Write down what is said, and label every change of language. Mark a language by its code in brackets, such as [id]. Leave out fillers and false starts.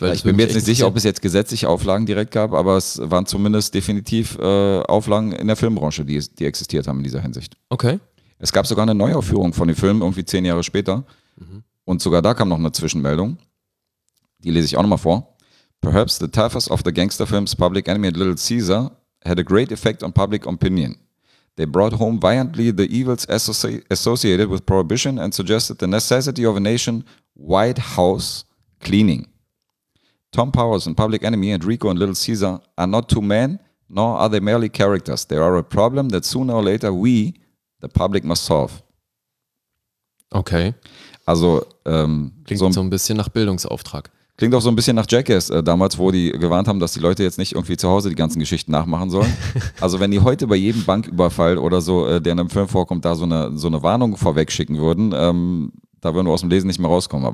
[de] Weil ja, ich bin mir jetzt nicht sicher, ob es jetzt gesetzliche Auflagen direkt gab, aber es waren zumindest definitiv Auflagen in der Filmbranche, die existiert haben in dieser Hinsicht. Okay. Es gab sogar eine Neuaufführung von dem Film irgendwie 10 Jahre später. Mhm. Und sogar da kam noch eine Zwischenmeldung. Die lese ich auch nochmal vor. [en] Perhaps the toughest of the gangster films, Public Enemy and Little Caesar, had a great effect on public opinion. They brought home violently the evils associated with prohibition and suggested the necessity of a nation White House cleaning. Tom Powers in Public Enemy and Rico in Little Caesar are not two men, nor are they merely characters. They are a problem that sooner or later we, the public, must solve. [de] Okay. Also, klingt so ein bisschen nach Bildungsauftrag. Klingt auch so ein bisschen nach Jackass damals, wo die gewarnt haben, dass die Leute jetzt nicht irgendwie zu Hause die ganzen Geschichten nachmachen sollen. Also wenn die heute bei jedem Banküberfall oder so, der in einem Film vorkommt, da so eine Warnung vorweg schicken würden, da würden wir aus dem Lesen nicht mehr rauskommen.